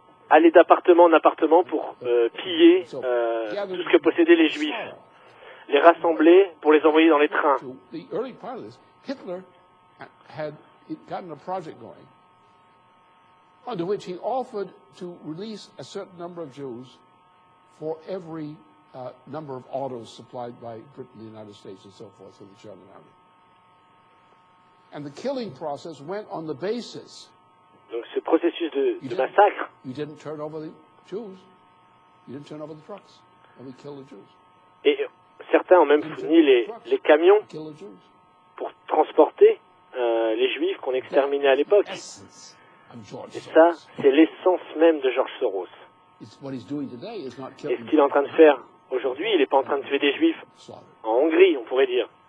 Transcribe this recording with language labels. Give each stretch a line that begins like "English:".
French: Aller d'appartement en appartement pour piller tout ce que possédaient les Juifs, les rassembler pour les envoyer dans les trains.
English: The early part of this, Hitler had gotten a project going under which he offered to release a certain number of Jews for every number of autos supplied by Britain, the United States, and so forth to the German army. And the killing process went on the basis.
French: Donc ce processus de massacre.
English: You didn't turn over the Jews. You didn't turn over the trucks, and we killed the Jews.
French: Et certains ont même fourni les camions pour transporter les Juifs qu'on exterminait à l'époque. Et ça, c'est l'essence même de George Soros. Et ce qu'il est en train de faire aujourd'hui, il n'est pas en train de tuer des Juifs en Hongrie, on pourrait dire.